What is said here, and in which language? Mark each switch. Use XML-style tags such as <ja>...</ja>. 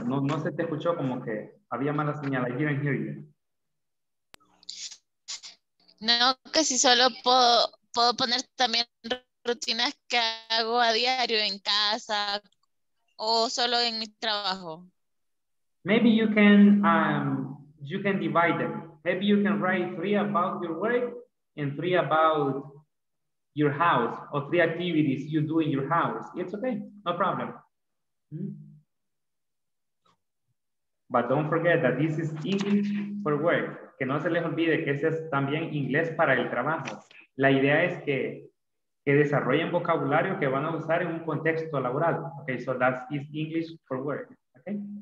<es>No, no se te escuchó, como que había mala señal.</es> <en>I didn't hear you.</en> <es>No, que si solo puedo poner también rutinas que hago a diario en casa o solo en mi trabajo.</es> <en>Maybe you can divide them. Maybe you can write three about your work and three about your house or three activities you do in your house. It's okay, no problem. But don't forget that this is English for work.</en> <es>Que no se les olvide que ese es también inglés para el trabajo. La idea es que desarrollen vocabulario que van a usar en un contexto laboral.</es> <en>Okay, so that is English for work, okay?</en>